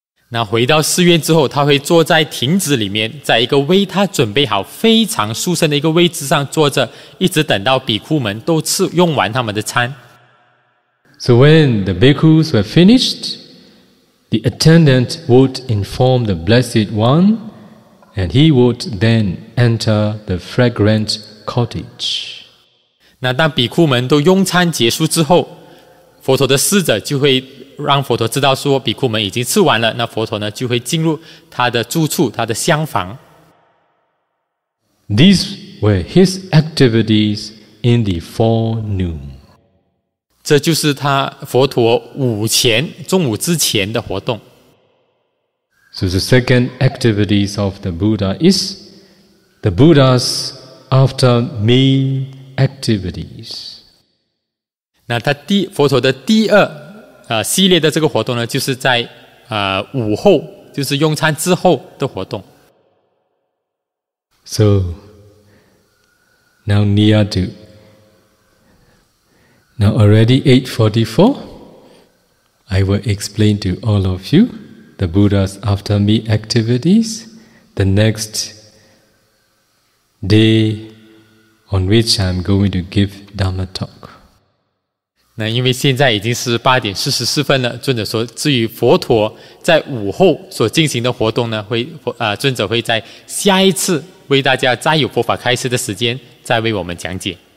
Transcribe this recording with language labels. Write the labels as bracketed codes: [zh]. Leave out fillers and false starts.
[zh] 那回到寺院之后，他会坐在亭子里面，在一个为他准备好非常殊胜的一个位置上坐着，一直等到比库们都吃用完他们的餐。 [en] So when the bhikkhus were finished,The attendant would inform the Blessed One, and he would then enter the fragrant cottage. [zh] 那当比库们都用餐结束之后，佛陀的侍者就会让佛陀知道说比库们已经吃完了，那佛陀呢就会进入他的住处，他的厢房。 [en] These were his activities in the forenoon. [zh] 这就是他佛陀午前中午之前的活动。 [en] So the second activities of the Buddha is the Buddha's after meal activities. [zh] 那他第佛陀的第二系列的这个活动呢，就是在午后，就是用餐之后的活动。 [en] So now near to. Now already 8:44, I will explain to all of you the Buddha's after meal activities the next day on which I'm going to give Dhamma talk. [zh] 那因为现在已经是8:44了，尊者说至于佛陀在午后所进行的活动呢，尊者会在下一次为大家再有佛法开示的时间再为我们讲解。